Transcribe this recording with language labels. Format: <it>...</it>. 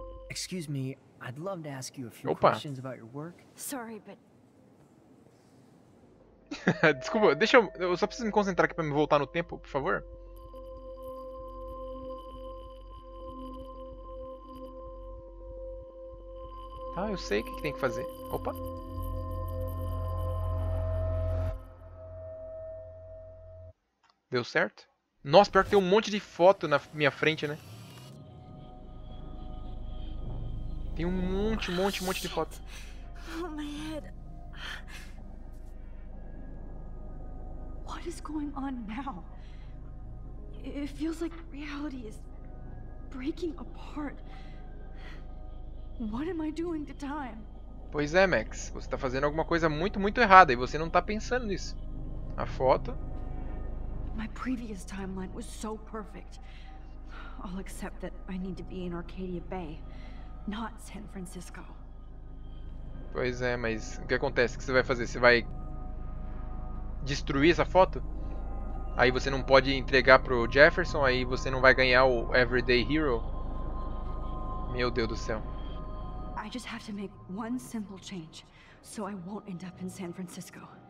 <en>Excuse me, I'd love to ask you a few questions about your work. Sorry, but...</en> <pt>Desculpa, deixa eu só preciso me concentrar aqui para me voltar no tempo, por favor. Ah, eu sei o que tem que fazer. Opa. Deu certo? Nossa, pior que tem um monte de foto na minha frente, né? Tem um monte de foto.</pt> <en>What is going on now? It feels like reality is breaking apart. What am I doing to time?</en> <pt>Pois é, Max. Você está fazendo alguma coisa muito, muito errada e você não está pensando nisso. A foto.</pt> <en>My previous timeline was so perfect. I'll accept that I need to be in Arcadia Bay, not San Francisco.</en> <pt>Pois é, mas o que acontece? O que você vai fazer? Você vai destruir essa foto? Aí você não pode entregar pro Jefferson, aí você não vai ganhar o Everyday Hero. Meu Deus do céu.</pt> <en>I just have to make one simple change so I won't end up in San Francisco.</en>